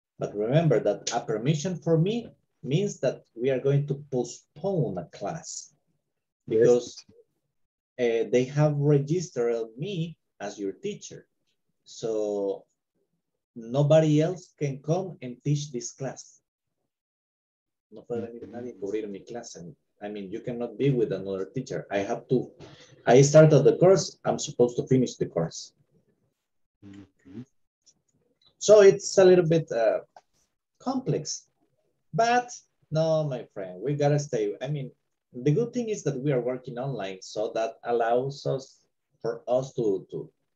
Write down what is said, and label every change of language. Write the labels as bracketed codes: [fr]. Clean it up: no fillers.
[en] But remember that a permission for me means that we are going to postpone a class, because yes, they have registered me as your teacher. So nobody else can come and teach this class. [es] No puede venir nadie a cubrir mi clase. [en] I mean, you cannot be with another teacher. I have to, I started the course, I'm supposed to finish the course. Okay. So it's a little bit complex, but no, my friend, we gotta stay. I mean, the good thing is that we are working online, so that allows us to.